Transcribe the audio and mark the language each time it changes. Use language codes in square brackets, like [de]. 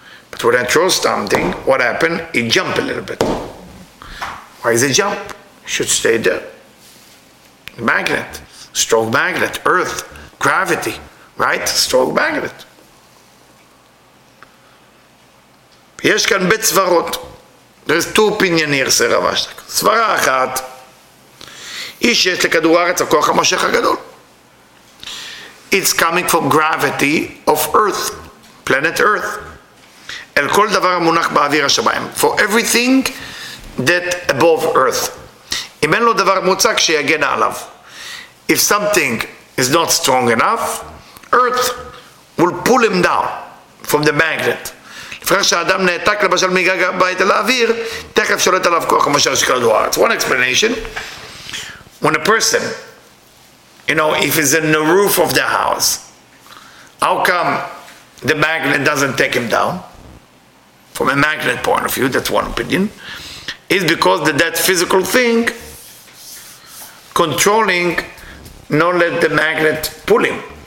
[en] But when I throw something, what happened? It jumped a little bit. Why is it jump? It should stay there. The magnet, strong magnet, earth, gravity, right? Strong magnet. [he] יש כאן בית סברות. [en] There's two opinion here, Sir Rav Ashlag. [he] סברה אחת, איש שיש לכדור הארץ, הכוח המושך הגדול. [en] It's coming from gravity of Earth, planet Earth. [he] אל כל דבר המונח באוויר השמיים. [en] For everything that above Earth. [he] אם אין לו דבר מוצק שיגן עליו. [en] If something is not strong enough, Earth will pull him down from the magnet. [he] לפחר שהאדם נעתק למשל מגג הבית אל האוויר, תכף שולט עליו כוח המשל שכדור הארץ. [en] One explanation. When a person, you know, if he's in the roof of the house, How come the magnet doesn't take him down? From a magnet point of view, that's one opinion. It's because that physical thing controlling, not let the magnet pull him.